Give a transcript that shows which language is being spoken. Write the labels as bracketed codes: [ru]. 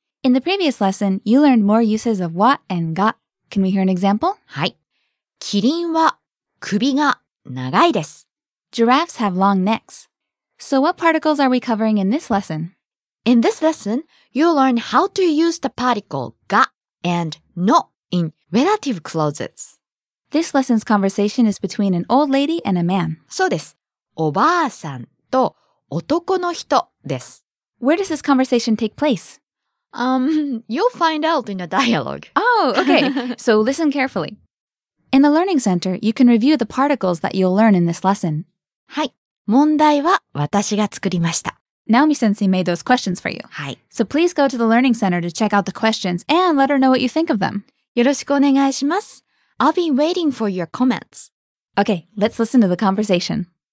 [en] In the previous lesson, you learned more uses of wa and ga. Can we hear an example? [ja] はい。キリンは首が長いです。 [en] Giraffes have long necks. So what particles are we covering in this lesson? In this lesson, you'll learn how to use the particle ga and no in relative clauses. This lesson's conversation is between an old lady and a man. [ja] そうです。おばあさんと男の人です。 [en] Where does this conversation take place? You'll find out in a dialogue. Oh, okay. So listen carefully. In the Learning Center, you can review the particles that you'll learn in this lesson. [ja] はい。問題は私が作りました。 [en] Naomi Sensei made those questions for you. [ja] はい。 [en] So please go to the Learning Center to check out the questions and let her know what you think of them. [ja] よろしくお願いします。 [en] I'll be waiting for your comments. Okay, let's listen to the conversation.